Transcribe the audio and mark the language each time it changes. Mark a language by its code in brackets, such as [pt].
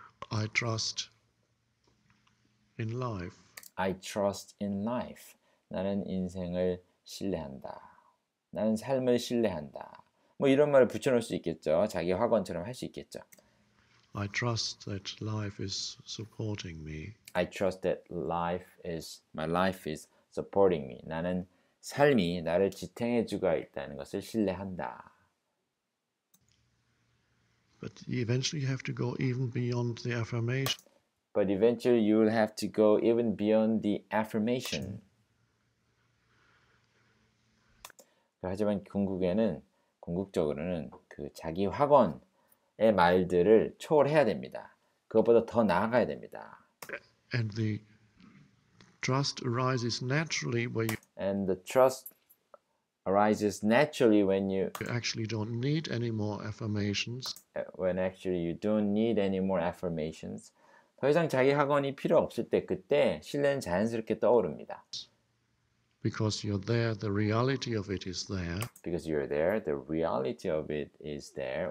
[en] I trust in life. I trust in life. [ko] 나는 인생을 신뢰한다. 나는 삶을 신뢰한다. 뭐 이런 말을 붙여놓을 수 있겠죠. 자기 확언처럼 할수 있겠죠. [en] I trust that life is supporting me. I trust that life is, my life is supporting me. [ko] 나는 삶이 나를 지탱해주고 있다는 것을 신뢰한다. [en] But eventually you have to go even beyond the affirmation. But eventually you will have to go even beyond the affirmation. [ko] 하지만 궁극적으로는 그 자기 확언의 말들을 초월해야 됩니다. 그것보다 더 나아가야 됩니다. [en] And the trust arises naturally where you And the trust arises naturally when you, actually don't need any more affirmations. When actually you don't need any more affirmations. [ko] 더 이상 자기 확언이 필요 없을 때 그때 신뢰는 자연스럽게 떠오릅니다. [en] Because you're there, the reality of it is there. Because you're there, the reality of it is there.